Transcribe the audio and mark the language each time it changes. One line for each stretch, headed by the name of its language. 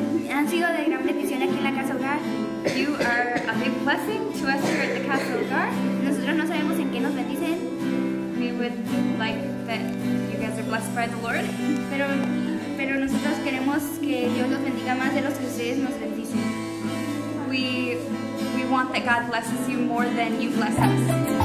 Spanish: Han sido de gran bendición aquí en la Casa Hogar.
English: You are a big blessing to us here at the Casa Hogar.
Spanish: Nosotros no sabemos en qué nos bendicen.
English: We would like that you guys are blessed by the Lord.
Spanish: Pero nosotros queremos que Dios los bendiga más de los que ustedes nos bendicen.
English: We want that God blesses you more than you bless us.